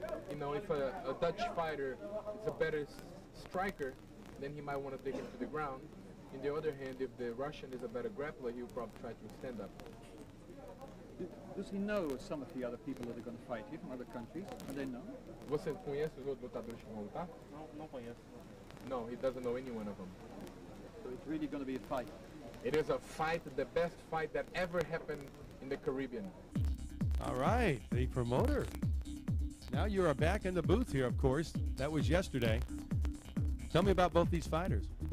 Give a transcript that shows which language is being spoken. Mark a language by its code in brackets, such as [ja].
[en] You know, if a Dutch fighter is a better striker, then he might want to dig into the ground. On the other hand, if the Russian is a better grappler, he'll probably try to stand up. Does he know some of the other people that are going to fight here from other countries? Do they know? [pt] Você conhece os outros lutadores que vão lutar? Não, não conheço. [en] No, he doesn't know any one of them. So it's really going to be a fight. It is a fight, the best fight that ever happened in the Caribbean. All right, the promoter. Now you are back in the booth here, of course. That was yesterday. Tell me about both these fighters.